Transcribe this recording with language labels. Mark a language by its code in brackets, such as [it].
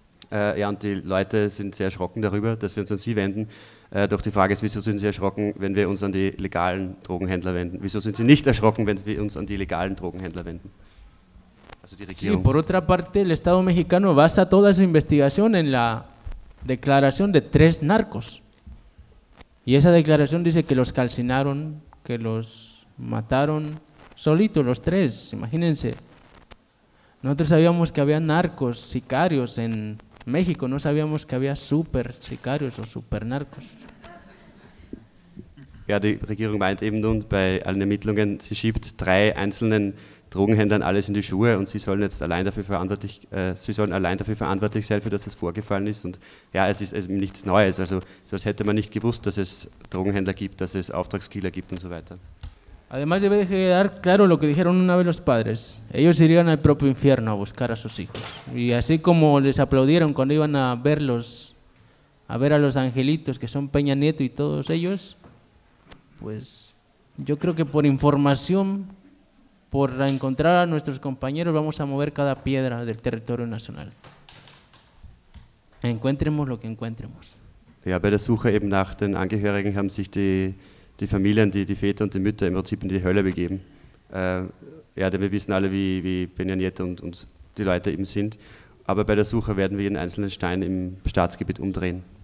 [de] Ja, und die Leute sind sehr erschrocken darüber, dass wir uns an sie wenden. Doch die Frage ist, wieso sind sie erschrocken, wenn wir uns an die legalen Drogenhändler wenden? Wieso sind sie nicht erschrocken, wenn wir uns an die legalen Drogenhändler wenden? Also die Regierung. [es] Sí, por otra parte, el Estado mexicano basa toda su investigación en la declaración de tres narcos. Y esa declaración dice que los calcinaron, que los mataron solitos los tres, imagínense. Nosotros sabíamos que había narcos, sicarios en México, no sabíamos que había super sicarios o super narcos. [de] Ja, die Regierung meint eben nun bei allen Ermittlungen, sie schiebt drei einzelnen Drogenhändlern alles in die Schuhe und sie sollen jetzt allein dafür verantwortlich, sein, für dass es vorgefallen ist. Und ja, es ist eben nichts Neues. Also so als hätte man nicht gewusst, dass es Drogenhändler gibt, dass es Auftragskiller gibt und so weiter. [es] Además debe quedar claro lo que dijeron una vez los padres. Ellos irían al propio infierno a buscar a sus hijos. Y así como les aplaudieron cuando iban a ver a los angelitos que son Peña Nieto y todos ellos, pues yo creo que por información por encontrar a nuestros compañeros vamos a mover cada piedra del territorio nacional. Encuentremos lo que encuentremos. [de] Ja, bei der Suche eben nach den Angehörigen haben sich die Familien, die Väter und die Mütter im Prinzip in die Hölle begeben. Ja, denn wir wissen alle, wie Benjaniette und die Leute eben sind. Aber bei der Suche werden wir jeden einzelnen Stein im Staatsgebiet umdrehen.